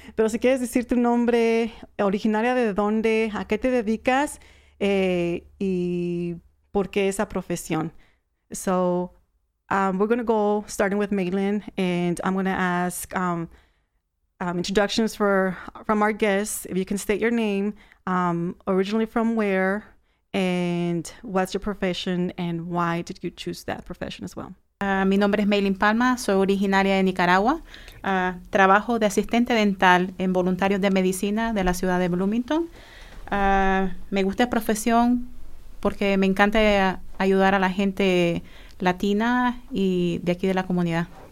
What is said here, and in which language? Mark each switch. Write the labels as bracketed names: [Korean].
[Spanish] Pero si quieres decir tu nombre, originaria de dónde, a qué te dedicas y por qué esa profesión. [English] So, we're going to go starting with Maylen, and I'm going to ask introductions from our guests. If you can state your name, originally from where, and what's your profession, and why did you choose that profession as well? [Spanish] Mi nombre es Maylen Palma, soy originaria de Nicaragua. Trabajo de asistente dental en voluntarios de medicina de la ciudad de Bloomington. Me gusta la profesión porque me encanta ayudar a la gente latina y de aquí de la comunidad.